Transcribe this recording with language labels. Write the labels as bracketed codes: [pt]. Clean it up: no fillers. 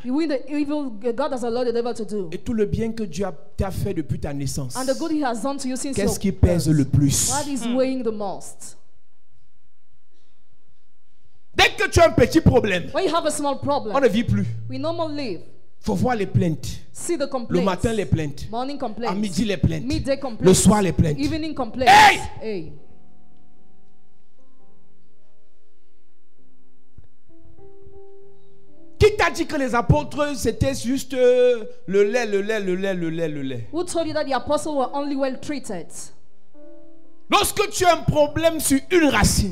[en] Between the evil God has allowed the devil to do. [fr] Et tout le bien que Dieu t'a fait depuis ta naissance. [en] And the good he has done to you since. [fr] Qu'est-ce qui pèse le plus? [en] What is weighing the most? [fr] Dès que tu as un petit problème. [en] When you have a small problem. [fr] On ne vit plus. [en] We no more live. [fr] Il faut voir les plaintes. [en] See the complaints. [fr] Le matin, les plaintes. [en] Morning complaints. [fr] À midi, les plaintes. [en] Midday complaints. [fr] Le soir, les plaintes. [en] Evening complaints. Hey! Hey! [fr] Qui t'a dit que les apôtres, c'était juste le lait, le lait, le lait, le lait, le lait? [en] Who told you that the apostles were only well treated? [fr] Lorsque tu as un problème sur une racine,